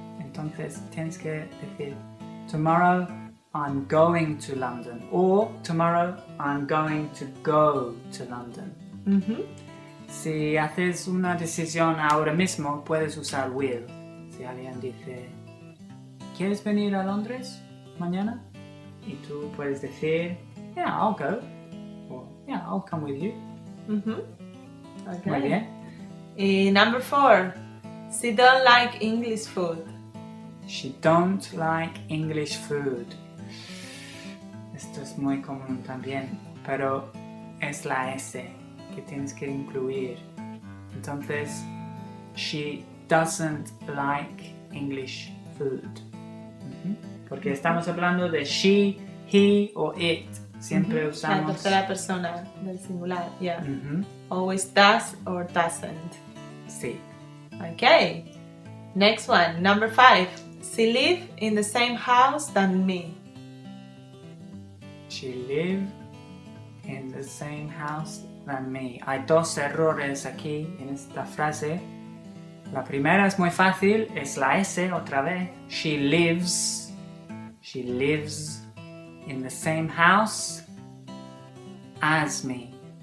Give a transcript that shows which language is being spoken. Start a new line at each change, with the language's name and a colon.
Spanish: Entonces tienes que decir
English: tomorrow I'm going to London, or tomorrow I'm going to go to London.
Spanish: Mm-hmm. Si haces una decisión ahora mismo, puedes usar will. Si alguien dice, ¿quieres venir a Londres mañana? Y tú puedes decir,
English: yeah, I'll go, or yeah, I'll come with you. Mm-hmm. Okay.
Spanish: Muy bien.
English: Y number four, she don't like English food. She don't like English food.
Spanish: Esto es muy común también, pero es la S que tienes que incluir.
English: Entonces, she doesn't like English food.
Spanish: Porque estamos hablando de she, he o it. Siempre usamos la tercera persona del singular. Yeah. Mm-hmm.
English: Always does or doesn't.
Spanish: Sí.
English: Okay. Next one, number five. She lives in the same house than me. She live in the same house than me.
Spanish: Hay dos errores aquí en esta frase. La primera es muy fácil, es la S otra vez.
English: She lives in the same house as me.